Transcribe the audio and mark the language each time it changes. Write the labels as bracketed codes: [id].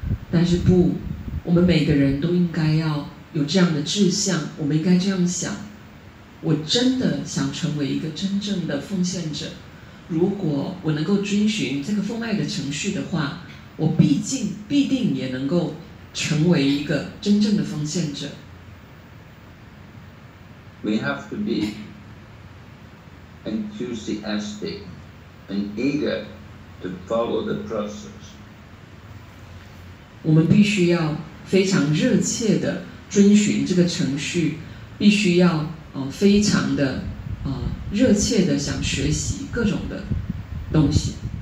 [zh] 但是不，我们每个人都应该要有这样的志向，我们应该这样想，我真的想成为一个真正的奉献者，如果我能够遵循这个奉爱的程序的话，我必定也能够成为一个真正的奉献者。 [en] We have to be enthusiastic and eager to follow the process. [zh] 我们必须要非常热切地遵循这个程序，必须要非常的热切地想学习各种的东西。